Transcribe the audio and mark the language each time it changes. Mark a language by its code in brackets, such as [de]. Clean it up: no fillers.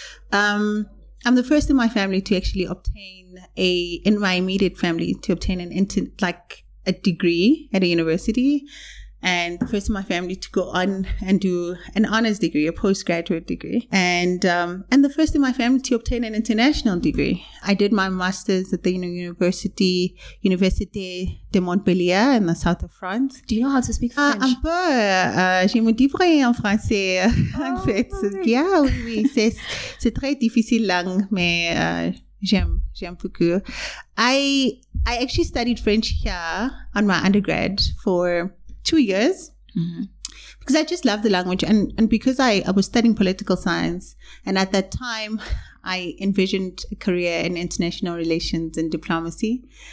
[en] I'm the first in my family to actually obtain an a degree at a university, and the first in my family to go on and do an honors degree, a postgraduate degree, and the first in my family to obtain an international degree. I did my master's at the Université de Montpellier in the south of France. Do you know how to speak French? [fr] Un peu. Je me débrouille en français. En fait, [en] yeah, [fr] oui, c'est très difficile langue, mais j'aime beaucoup. [en] I actually studied French here on my undergrad for 2 years because I just love the language, and because I was studying political science, and at that time I envisioned a career in international relations and diplomacy,